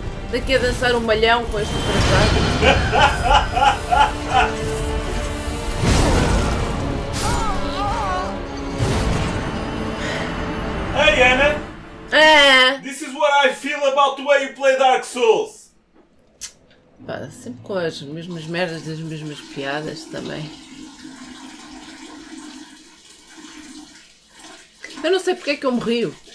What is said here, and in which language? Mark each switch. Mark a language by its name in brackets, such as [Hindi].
[Portuguese] Daqui a dançar um malhão com este tratado. [English] Hey Anna! This is what I feel about the way you play Dark Souls! [Portuguese] Pá, sempre com as mesmas merdas e as mesmas piadas também. Eu não sei porque é que eu morri.